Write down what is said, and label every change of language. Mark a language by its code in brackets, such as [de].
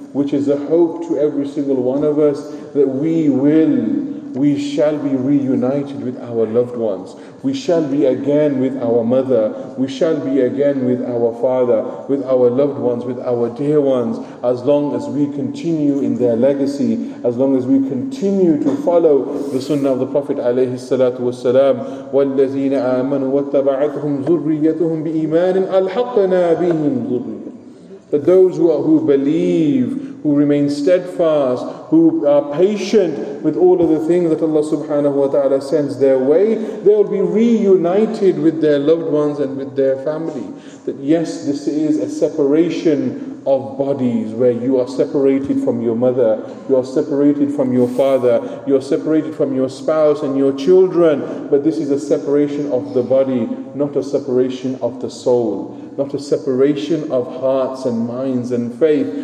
[en] Which is a hope to every single one of us that we shall be reunited with our loved ones. We shall be again with our mother. We shall be again with our father, with our loved ones, with our dear ones, as long as we continue in their legacy, as long as we continue to follow the sunnah of the Prophet alayhi salatu wassalam. [ar] وَالَّذِينَ آمَنُوا وَاتَّبَعَتْهُمْ ذُرِّيَّتُهُمْ بِإِيمَانٍ أَلْحَقْنَا بِهِمْ ذُرِّيَّةٍ. [en] That those who believe, who remain steadfast, who are patient with all of the things that Allah subhanahu wa ta'ala sends their way, they will be reunited with their loved ones and with their family. That yes, this is a separation of bodies, where you are separated from your mother, you are separated from your father, you are separated from your spouse and your children, but this is a separation of the body, not a separation of the soul, not a separation of hearts and minds and faith.